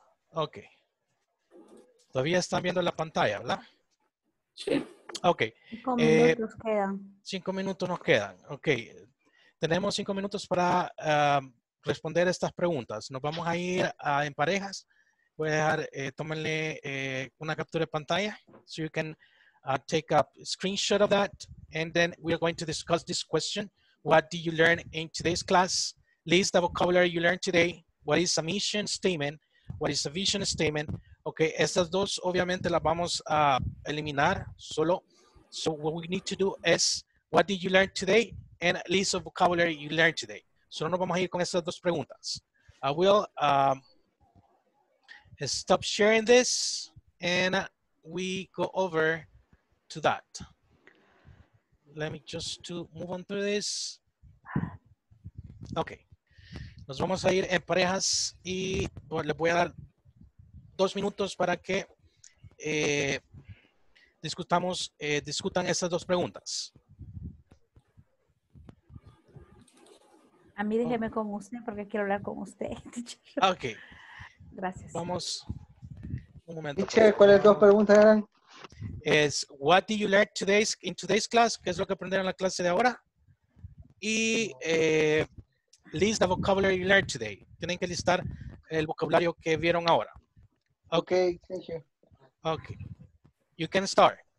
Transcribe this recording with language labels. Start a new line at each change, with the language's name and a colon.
Spanish: Ok. Todavía están viendo la pantalla, ¿verdad? Sí. Ok. 5 minutos nos quedan. Ok. Tenemos 5 minutos para responder estas preguntas. Nos vamos a ir en parejas. Voy a dejar, tómenle una captura de pantalla.
English: So you can take a screenshot of that. And then we are going to discuss this question. What do you learn in today's class? List the vocabulary you learned today. What is a mission statement? What is a vision statement? Okay,
Spanish: estas dos obviamente las vamos a eliminar solo.
English: So what we need to do is, what did you learn today? And list of vocabulary you learned today.
Spanish: Solo nos vamos a ir con estas dos preguntas.
English: I will... stop sharing this and we go over to that. Let me just to move on through this. Okay.
Spanish: Nos vamos a ir en parejas y les voy a dar 2 minutos para que discutan estas dos preguntas. A mí déjeme con usted porque quiero hablar con usted. Okay. Gracias. Vamos, un momento. ¿Cuáles dos preguntas eran?
English: Es, what did you learn in today's class?
Spanish: ¿Qué es lo que aprendieron en la clase de ahora? Y
English: list the vocabulary you learned today.
Spanish: Tienen que listar el vocabulario que vieron ahora.
English: Okay, thank you. Okay, you can start.